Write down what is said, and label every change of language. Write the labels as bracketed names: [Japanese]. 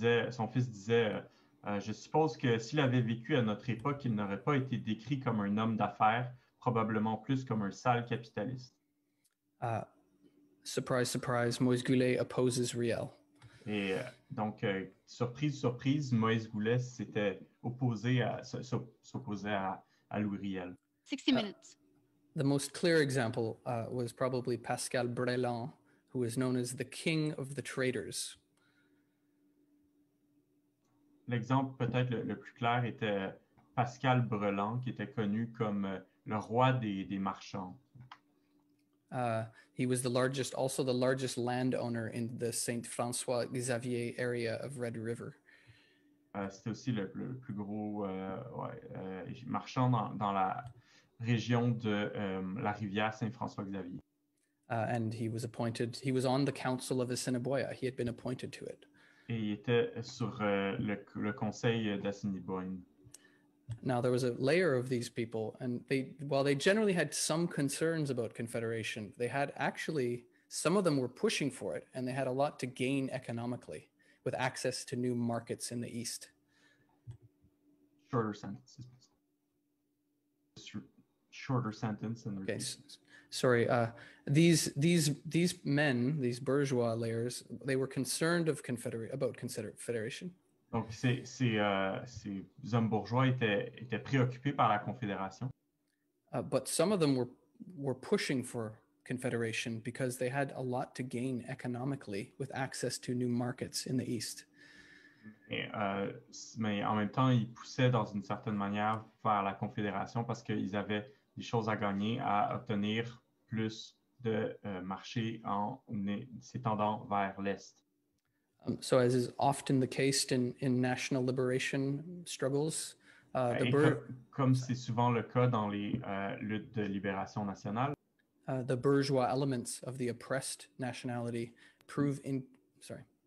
[French] Son fils disait, je suppose que s'il avait vécu à notre époque, il n'aurait pas été décrit comme un homme d'affaires, probablement plus comme un sale capitaliste. [English] Surprise, surprise, Moïse Goulet opposes Riel. [French] Et donc, surprise, surprise, Moïse Goulet s'était opposé à, s'opposait à Louis Riel. [English] 60 minutes. The most clear example was probably Pascal Breland, who is known as the king of the traders. [French] L'exemple peut-être le plus clair était Pascal Breland, qui était connu comme le roi des marchands. [English] He was the largest landowner in the Saint-François-Xavier area of Red River. [French] C'était aussi le plus gros marchand dans la région de la rivière Saint-François-Xavier. [English] And he was appointed, he was on the council of Assiniboia. He had been appointed to it. [French] Et il était sur le conseil d'Assiniboine. [English] Now there was a layer of these people, and while they generally had some concerns about Confederation, they had actually, some of them were pushing for it, and they had a lot to gain economically with access to new markets in the East. Shorter sentences. Shorter sentence and okay, sorry. These men, these bourgeois layers, they were concerned of confederation. [French] Donc ces hommes bourgeois étaient préoccupés par la confédération. [English] But some of them were pushing for confederation because they had a lot to gain economically with access to new markets in the East. [French] Mais en même temps, ils poussaient dans une certaine manière vers la confédération parce qu'ils avaient des choses à gagner, à obtenir plus de marché en s'étendant vers l'Est. [English] So as is often the case in national liberation struggles, [French] comme c'est souvent le cas dans les luttes de libération nationale, [English] the bourgeois elements of the oppressed nationality prove in, sorry.